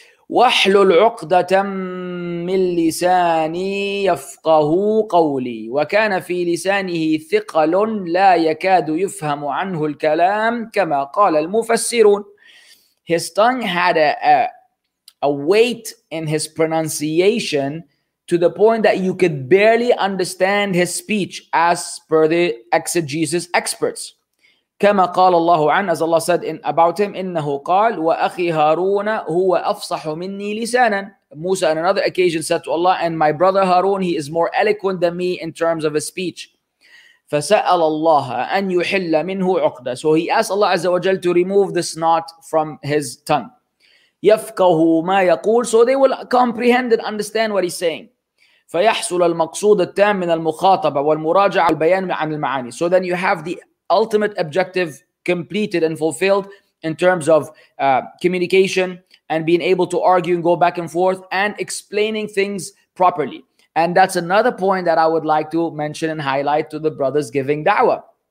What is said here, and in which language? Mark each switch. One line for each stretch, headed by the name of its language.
Arabic: وَحْلُلْ عُقْدَةً مِّن لِسَانِي يَفْقَهُ قَوْلِي وَكَانَ فِي لِسَانِهِ ثِقَلٌ لَا يَكَادُ يُفْهَمُ عَنْهُ الْكَلَامُ كَمَا قَالَ الْمُفَسِّرُونَ.
English: His tongue had a weight in his pronunciation to the point that you could barely understand his speech as per the exegesis experts.
Arabic: كما قال الله عن
English: as Allah said in about him
Arabic: إنه قال وأخي هارون هو أفصح مني لسانا.
English: Musa on another occasion said to Allah, and my brother Harun, he is more eloquent than me in terms of his speech.
Arabic: فسأل الله أن يحل منه عقدة.
English: So he asked Allah Azza wa Jal to remove this knot from his tongue.
Arabic: يفقه ما يقول.
English: So they will comprehend and understand what he's saying.
Arabic: فيحصل المقصود التام من المخاطبة والمراجعة والبيان عن المعاني.
English: So then you have the ultimate objective completed and fulfilled in terms of communication and being able to argue and go back and forth and explaining things properly. And that's another point that I would like to mention and highlight to the brothers giving da'wah.